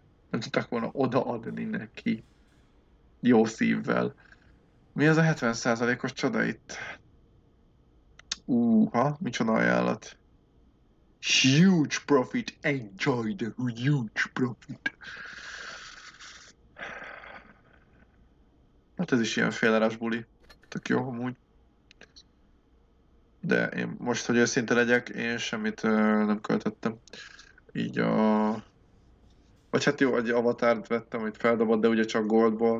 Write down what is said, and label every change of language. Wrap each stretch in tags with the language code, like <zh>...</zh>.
<hu>Nem tudták volna odaadni neki jó szívvel. Mi az a 70%-os csoda itt? Micsoda ajánlat.</hu> <en>Huge profit, enjoy the huge profit.</en> <hu>Hát ez is ilyen félárás buli. Tök jó, amúgy. De én most, hogy őszinte legyek, én semmit nem költöttem. Így a... Vagy hát jó, egy avatárt vettem, amit feldobott, de ugye csak goldból.</hu>